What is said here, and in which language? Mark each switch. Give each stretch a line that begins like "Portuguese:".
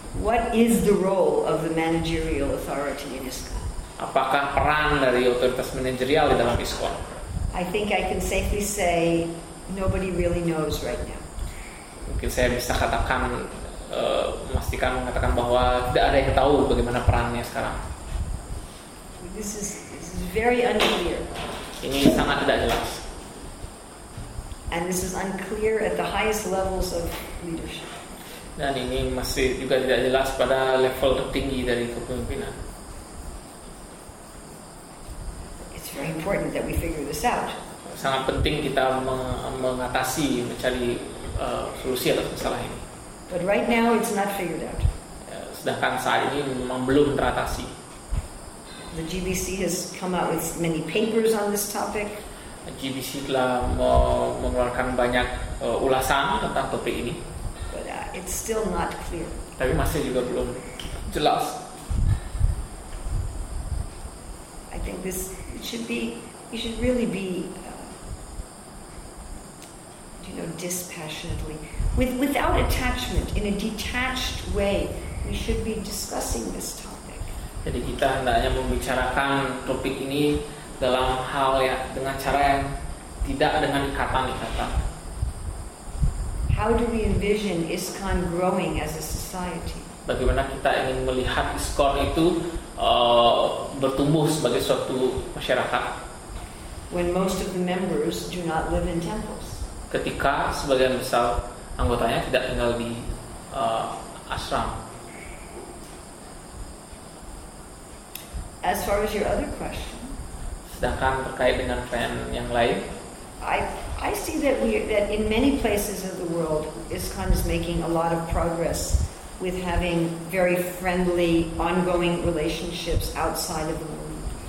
English: What is the role of the managerial authority in ISKCON?
Indonesian: Apakah peran dari otoritas manajerial di dalam ISKCON?
English: I think I can safely say nobody really knows right now.
Indonesian: Mungkin saya bisa katakan, memastikan mengatakan bahwa tidak ada yang tahu bagaimana perannya sekarang.
English: This is very unclear.
Indonesian: Ini sangat tidak jelas.
English: And this is unclear at the highest levels of leadership.
Indonesian: Dan ini masih juga tidak jelas pada level tertinggi dari kepemimpinan.
English: It's very important that we figure this out.
Indonesian: Sangat penting kita mengatasi, mencari solusi atas masalah ini.
English: But right now it's not figured out.
Indonesian: Sedangkan saat ini memang belum teratasi.
English: The GBC has come out with many papers on this topic.
Indonesian: GBC telah mengeluarkan banyak ulasan tentang topik ini.
English: It's still not clear.
Indonesian: Tapi masih juga belum jelas.
English: I think this should really be dispassionately, without attachment, in a detached way, we should be discussing this topic.
Indonesian: Jadi kita hendaknya membicarakan topik ini dalam hal ya dengan cara yang tidak dengan ikatan-ikatan.
English: How do we envision ISKCON growing as a society?
Indonesian: Bagaimana kita ingin melihat ISKCON itu bertumbuh sebagai suatu masyarakat?
English: When most of the members do not live in temples.
Indonesian: Ketika sebagian besar anggotanya tidak tinggal di asram.
English: As far as your other question.
Indonesian: Sedangkan terkait dengan pertanyaan yang lain.
English: I see that in many places of the world, ISKCON is making a lot of progress with having very friendly, ongoing relationships outside of the movement.